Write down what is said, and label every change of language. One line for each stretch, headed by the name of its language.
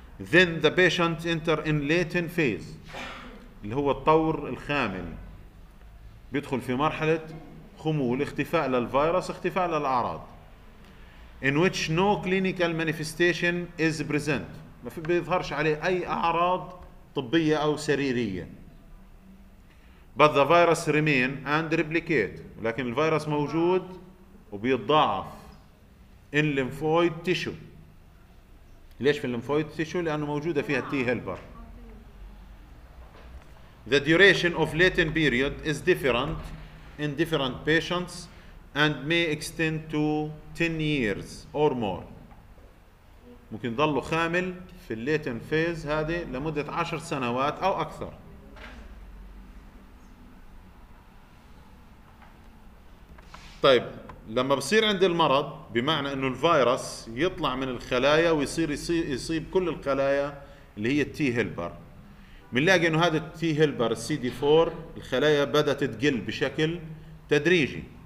English: then the patient enter in latent phase
Arabic: اللي هو الطور الخامل بيدخل في مرحلة خمول اختفاء للفيروس اختفاء للأعراض
English: in which no clinical manifestation is present
Arabic: ما في بيظهرش عليه أي أعراض طبية أو سريرية
English: but the virus remain and replicate
Arabic: لكن الفيروس موجود وبيتضاعف
English: in lymphoid tissue.
Arabic: ليش في lymphoid tissue؟ لأنه موجودة فيها T helper.
English: The duration of latent period is different in different patients and may extend to 10 years or more.
Arabic: ممكن يضلوا خامل في
English: latent phase
Arabic: هذه لمدة 10 سنوات أو أكثر. طيب لما بصير عند المرض بمعنى أنه الفيروس يطلع من الخلايا ويصير يصيب كل الخلايا اللي هي التي هيلبر بنلاقي انه هذا التي هيلبر سي دي 4 الخلايا بدات تقل بشكل تدريجي.